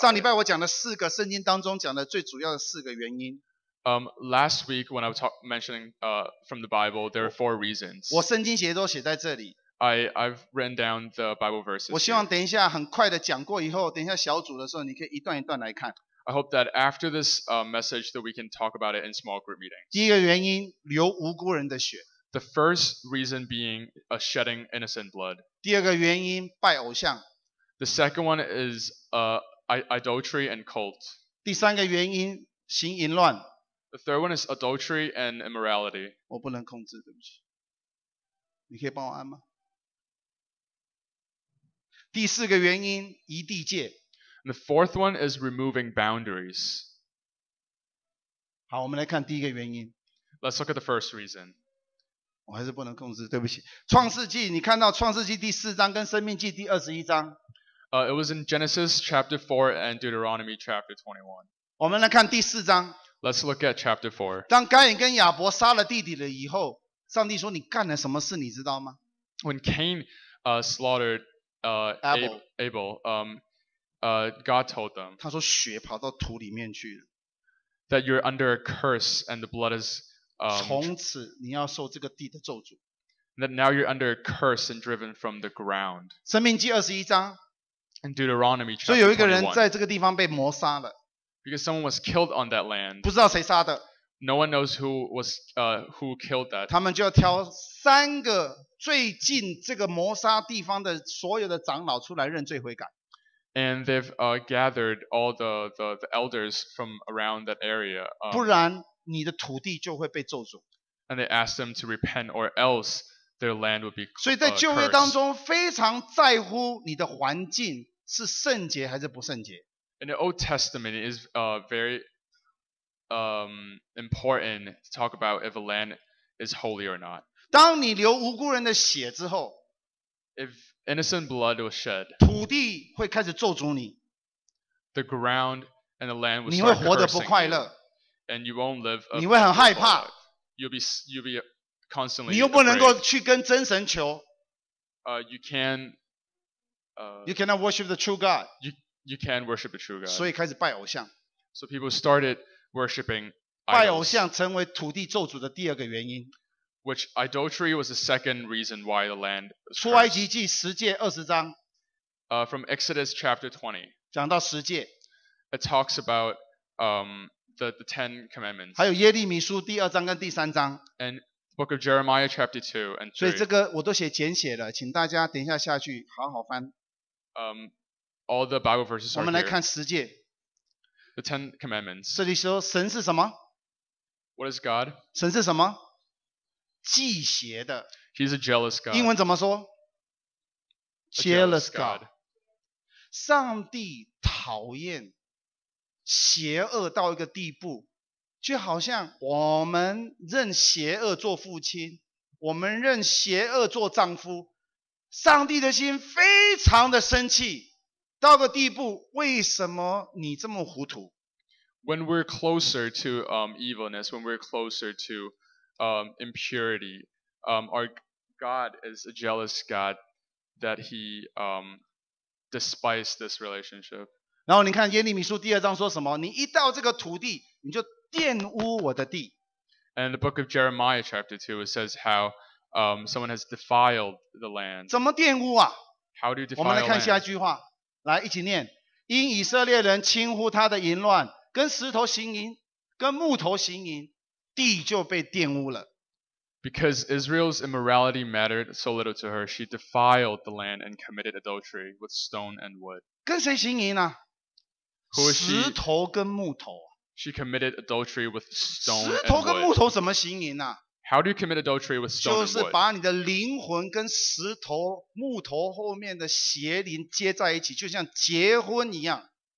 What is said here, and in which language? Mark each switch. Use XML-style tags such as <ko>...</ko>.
<zh>上礼拜我讲的四个圣经当中讲的最主要的四个原因。</zh> <en>Last week when I was mentioning from the Bible, there are four reasons.</en> <zh>我圣经写都写在这里。</zh> <en>I've written down the Bible verses.</en> <zh>我希望等一下很快的讲过以后，等一下小组的时候你可以一段一段来看。</zh> <en>I hope that after this message that we can talk about it in small group meetings.</en> <zh>第一个原因，流无辜人的血。</zh> <en>The first reason being a shedding innocent blood.</en> <zh>第二个原因，拜偶像。</zh> <en>The second one is idolatry and cult.</en> <zh>第三个原因，行淫乱。</zh> <en>The third one is adultery and immorality.</en> <zh>我不能控制，对不起。你可以帮我按吗？第四个原因，移地界。</zh> <en>The fourth one is removing boundaries.</en> <zh>好，我们来看第一个原因。</zh> <en>Let's look at the first reason.</en> <zh>我还是不能控制，对不起。创世纪，你看到创世纪第四章跟生命记第二十一章。</zh> <en>It was in Genesis chapter 4 and Deuteronomy chapter 21.</en> <zh>我们来看第四章。</zh> <en>Let's look at chapter 4.</en> <zh>当该隐跟亚伯杀了弟弟了以后，上帝说你干了什么事，你知道吗？</zh> <en>When Cain slaughtered Abel, God told them,</en> <zh>他说血跑到土里面去了。</zh> <en>That you're under a curse and the blood is.</en> <zh>从此你要受这个地的咒诅。</zh> <en>That now you're under a curse and driven from the ground.</en> <zh>生命记二十一章。</zh> <en>And Deuteronomy chapter 21.</en> <zh>所以有一个人在这个地方被谋杀了。</zh> <en>Because someone was killed on that land.</en> <zh>不知道谁杀的。</zh> <en>No one knows who was who killed that.</en> <zh>他们就要挑三个最近这个谋杀地方的所有的长老出来认罪悔改。</zh> <en>And they've gathered all the elders from around that area.</en> <zh>不然你的土地就会被咒诅。</zh> <en>And they asked them to repent, or else their land would be cursed.</en> <zh>所以在旧约当中，非常在乎你的环境是圣洁还是不圣洁。</zh> <en>In the Old Testament, it is very important to talk about if a land is holy or not.</en> <zh>当你流无辜人的血之后。</zh> <en>If innocent blood was shed,</en> <zh>土地会开始咒诅你。</zh> <en>The ground and the land will start cursing you.</en> <zh>你会活得不快乐。</zh> <en>And you won't live a life.</en> <zh>你会很害怕。</zh> <en>You'll be constantly.</en> <zh>你又不能够去跟真神求。</zh> <en>You cannot worship the true God. You can worship the true God.</en> <zh>所以开始拜偶像。</zh> <en>So people started worshiping idols.</en> <zh>拜偶像成为土地咒诅的第二个原因。</zh> <en>Which idolatry was the second reason why the land was cursed.</en> <zh>出埃及记十诫二十章。</zh> <en>From Exodus chapter 20.</en> <zh>讲到十诫。</zh> <en>It talks about the Ten Commandments.</en> <zh>还有耶利米书第二章跟第三章。</zh> <en>And the book of Jeremiah chapter 2 and 3.</en> <zh>所以这个我都写简写了，请大家等一下下去好好翻。</zh> <en>All the Bible verses are here.</en> <zh>我们来看十诫。</zh> <en>The Ten Commandments.</en> <zh>这里说神是什么？</zh> <en>What is God?</en> <zh>神是什么？忌邪的。</zh> <en>He's a jealous God.</en> <zh>英文怎么说？</zh> <en>Jealous God.</en> <zh>上帝讨厌邪恶到一个地步，就好像我们认邪恶做父亲，我们认邪恶做丈夫，上帝的心非常的生气，到个地步，为什么你这么糊涂？</zh> <en>When we're closer to evilness, when we're closer to impurity. Our God is a jealous God that he despised this relationship.</en> <zh>然后你看耶利米书第二章说什么？你一到这个土地，你就玷污我的地。</zh> <en>And the book of Jeremiah chapter 2, it says how someone has defiled the land.</en> <zh>怎么玷污啊？</zh> <en>How do you defile land?</en> <zh>我们来看下一句话，来一起念。因以色列人轻忽他的淫乱，跟石头行淫，跟木头行淫，地就被玷污了。</zh> <en>Because Israel's immorality mattered so little to her, she defiled the land and committed adultery with stone and wood.</en> <zh>跟谁行淫啊？</zh> <en>Who is she?</en> <zh>石头跟木头。</zh> <en>She committed adultery with stone and wood.</en> <zh>石头跟木头怎么行淫啊？</zh> <en>How do you commit adultery with stone and wood?</en> <zh>就是把你的灵魂跟石头、木头后面的邪灵接在一起，就像结婚一样。</zh>